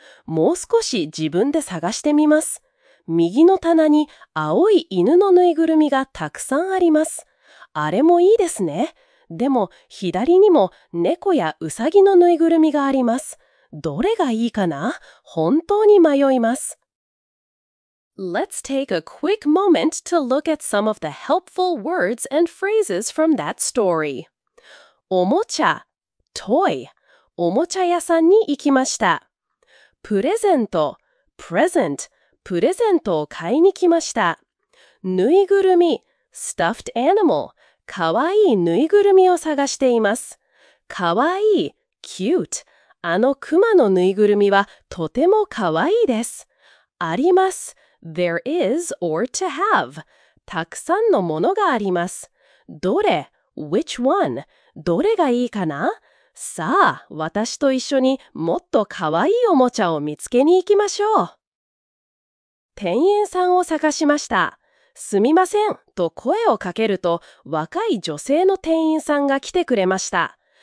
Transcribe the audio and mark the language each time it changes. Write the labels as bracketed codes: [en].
[ja] もう少し自分で探してみます。右の棚に青い犬のぬいぐるみがたくさんあります。あれもいいですね。でも、左にも猫やうさぎのぬいぐるみがあります。どれがいいかな？本当に迷います。 [en] Let's take a quick moment to look at some of the helpful words and phrases from that story. [ja] おもちゃ、toy、おもちゃ屋さんに行きました。プレゼント、present、プレゼントを買いに来ました。ぬいぐるみ、 [en] stuffed animal、 [ja] かわいいぬいぐるみを探しています。かわいい、cute、あの熊のぬいぐるみはとてもかわいいです。あります。 [en] There is or to have. [ja] たくさんのものがあります。 [en] どれ ?which one? [ja] どれがいいかな？さあ、私と一緒にもっとかわいいおもちゃを見つけに行きましょう。店員さんを探しました。すみません、と声をかけると、若い女性の店員さんが来てくれました。